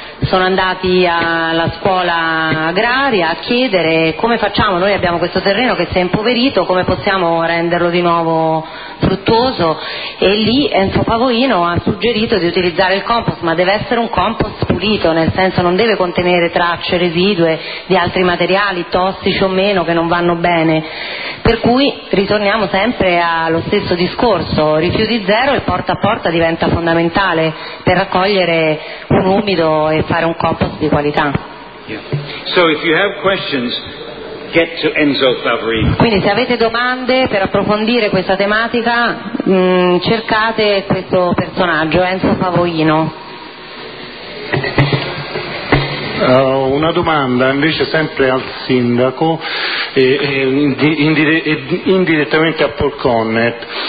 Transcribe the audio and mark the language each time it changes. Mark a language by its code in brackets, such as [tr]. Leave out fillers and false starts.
[it] sono andati alla scuola agraria a chiedere come facciamo, noi abbiamo questo terreno che si è impoverito, come possiamo renderlo di nuovo fruttuoso, e lì Enzo Favoino ha suggerito di utilizzare il compost, ma deve essere un compost pulito, nel senso non deve contenere tracce residue di altri materiali tossici o meno che non vanno bene, per cui ritorniamo sempre allo stesso discorso, rifiuti zero e porta a porta diventa fondamentale per raccogliere un umido e fare un compost di qualità. [en] So if you have questions, get to Enzo Favoino. [it] Quindi se avete domande per approfondire questa tematica, cercate questo personaggio, Enzo Favoino. Una domanda invece sempre al sindaco e indirettamente a Paul Connett.